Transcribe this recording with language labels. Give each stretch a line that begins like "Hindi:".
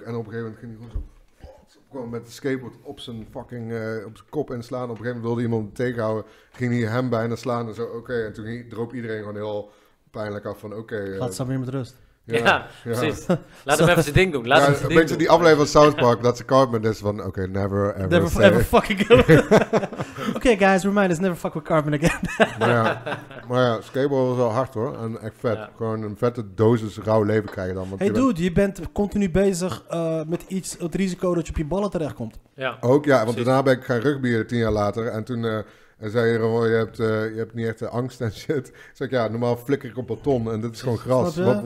Dutch: En op een gegeven moment ging hij gewoon zo... Gewoon met de skateboard op zijn fucking op zijn kop inslaan. Op een gegeven moment wilde iemand tegenhouden. Ging hij hem bijna slaan en zo. Oké. En toen droop iedereen gewoon heel pijnlijk af van oké. Laat Samir met rust. Ja, precies. Laat hem even zijn ding doen. Laat hem een beetje doen. Die aflevering van South Park, dat ze Cartman is van oké,
English: never ever. Never say. Ever fucking go. Oké, guys, remind us, never fuck with Cartman again.
Dutch: maar skateboard was wel hard hoor. En echt vet. Ja. Gewoon een vette dosis rauw leven krijgen dan. Hey dude, je bent continu bezig met iets, het risico dat je op je ballen terechtkomt. Ja. Ook ja, want precies. Daarna ben ik gaan rugbyen 10 jaar later. En toen. En zei je, oh, je hebt niet echt angst en shit. Zeg ik, ja, normaal flikker ik op beton en dit is gewoon gras.